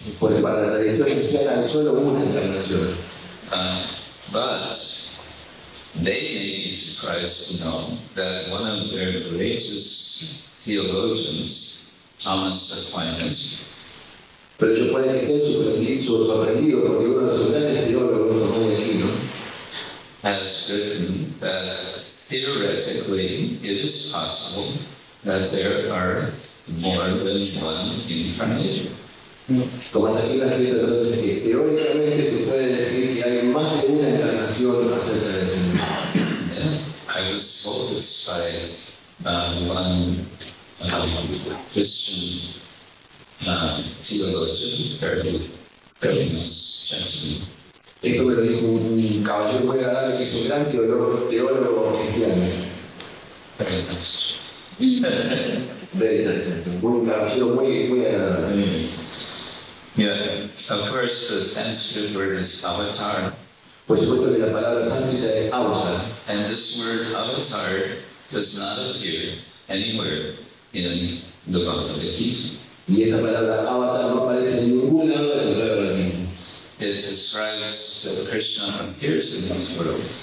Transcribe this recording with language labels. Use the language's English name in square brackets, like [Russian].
[English] But they may be surprised to know that one of their greatest theologians, Thomas Aquinas, has written that theoretically it is possible that there are more than one incarnation. [Spanish] Tomás aquí la escrita entonces que teóricamente se puede decir que hay más de una encarnación acerca de ese mundo. [English] I was told this by one Christian theologian, very nice gentleman. [Spanish] Esto me lo dijo un caballero muy agradable que es un gran teólogo cristiano. [English] Very nice. Very nice. [Spanish] Un caballero muy agradable. [English] Yeah, of course the Sanskrit word is avatar. [Spanish] Por supuesto que la palabra sánscrita es avatar. [English] And this word avatar does not appear anywhere in the Vālmīki. [Spanish] Y esta palabra avatar no aparece en ningún lado del Vālmīki. [English] It describes that Krishna appears in this world.